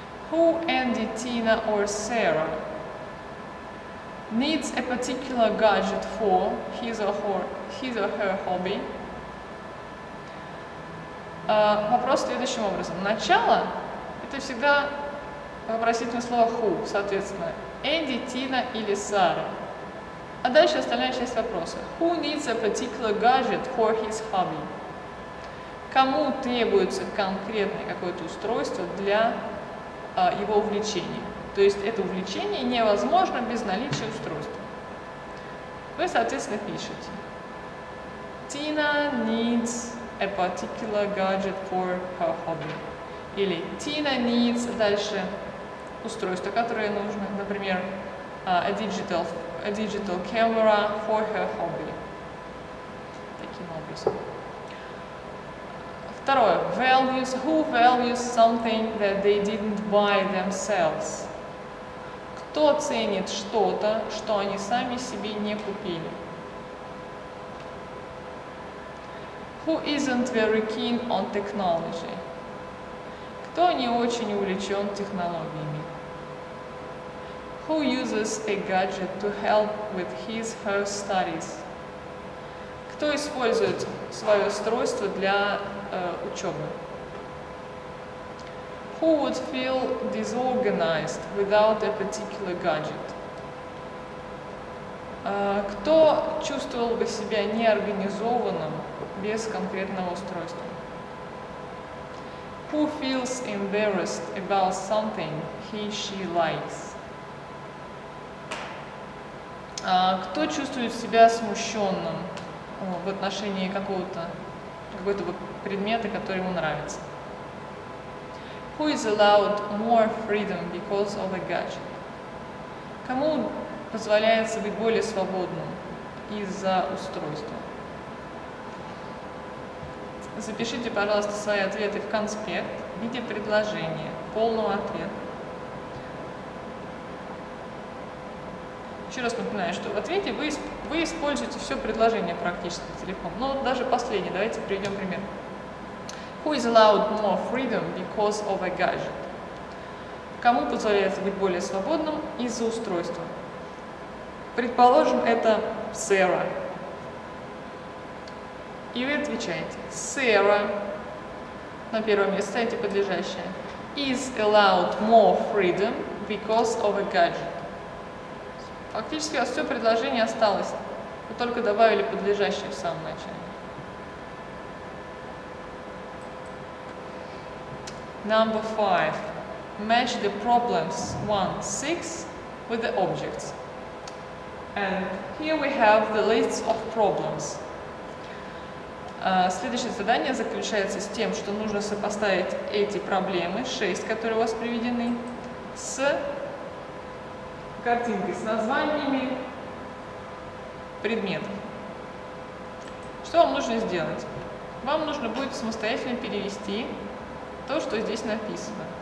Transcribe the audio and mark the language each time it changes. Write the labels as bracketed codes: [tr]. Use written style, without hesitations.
[en] Who Andy, Tina or Sarah needs a particular gadget for his or her hobby? [ru] Вопрос следующим образом. Начало – это всегда вопросительное слово who, соответственно, Andy, Tina или Sarah. А дальше остальная часть вопроса. [en] Who needs a particular gadget for his hobby? [ru] Кому требуется конкретное какое-то устройство для его увлечение. То есть это увлечение невозможно без наличия устройства. Вы, соответственно, пишете. [en] Tina needs a particular gadget for her hobby. [ru] Или Tina [en] needs [ru] дальше устройство, которое нужно. Например, [en] a digital camera for her hobby. [ru] Таким образом. Второе. Values. [en] Who values something that they didn't buy themselves? [ru] Кто ценит что-то, что они сами себе не купили? [en] Who isn't very keen on technology? [ru] Кто не очень увлечен технологиями? [en] Who uses a gadget to help with his/her studies? [ru] Кто использует свое устройство для учебы? [en] Who would feel disorganized without a particular gadget? [ru] Кто чувствовал бы себя неорганизованным без конкретного устройства? [en] Who feels embarrassed about something he/she likes? [ru] Кто чувствует себя смущенным в отношении какого-то предмета, который ему нравится? [en] Who is allowed more freedom because of a gadget? [ru] Кому позволяется быть более свободным из-за устройства? Запишите, пожалуйста, свои ответы в конспект в виде предложения, полного ответа. Еще раз напоминаю, что в ответе вы используете все предложение практически целиком. Но вот даже последнее. Давайте приведем пример. [en] Who is allowed more freedom because of a gadget? [ru] Кому позволяется быть более свободным из-за устройства? Предположим, это Sarah. И вы отвечаете. Sarah, на первом месте ставите подлежащее, [en] is allowed more freedom because of a gadget. [ru] Фактически у вас все предложение осталось. Вы только добавили подлежащее в самом начале. [en] Number 5. Match the problems 1-6 with the objects. And here we have the list of problems. [ru] Следующее задание заключается с тем, что нужно сопоставить эти проблемы, 6, которые у вас приведены, с картинки с названиями предметов. Что вам нужно сделать? Вам нужно будет самостоятельно перевести то, что здесь написано.